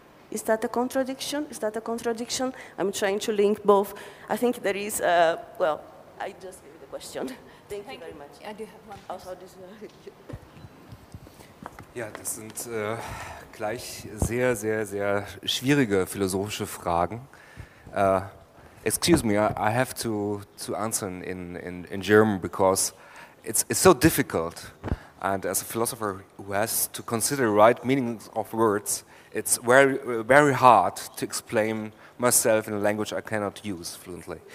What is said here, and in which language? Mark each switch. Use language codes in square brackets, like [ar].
[en] Is that a contradiction? Is that a contradiction? I'm trying to link both. I think there is, I just gave you the question. Thank you very much. [de] Ja, das sind gleich sehr, sehr, sehr schwierige philosophische Fragen. [en] Excuse me, I have to answer in German because it's so difficult. And as a philosopher who has to consider right meanings of words, it's very, very hard to explain myself in a language I cannot use fluently.